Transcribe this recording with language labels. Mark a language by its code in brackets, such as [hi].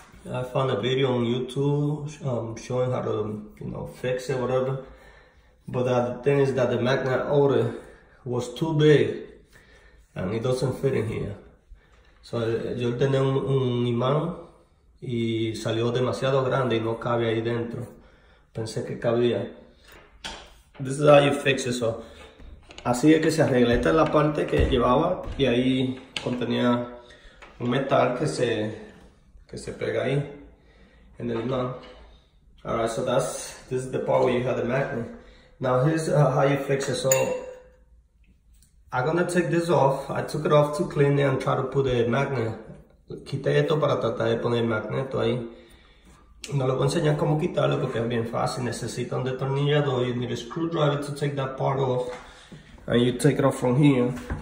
[en] I found a video on YouTube showing how to, you know, fix it, whatever. But the thing is that the magnet I ordered was too big, and it doesn't fit in here. [es] So yo tenía un imán y salió demasiado grande y no cabe ahí dentro. Pensé que cabía. [en] This is how you fix it. So, [es] así es que se arregla. Esta es la parte que llevaba y ahí contenía un metal que se pega ahí en el imán. [en] All right, so this is the part where you have the magnet. Now here's how you fix it. So, I'm gonna take this off. I took it off to clean it and try to put a magnet. [es] Quité esto para tratar de poner el magneto ahí. No lo voy a enseñar cómo quitarlo porque es bien fácil. Necesita un destornillador. [en] You need a screwdriver to take that part off. And you take it off from here.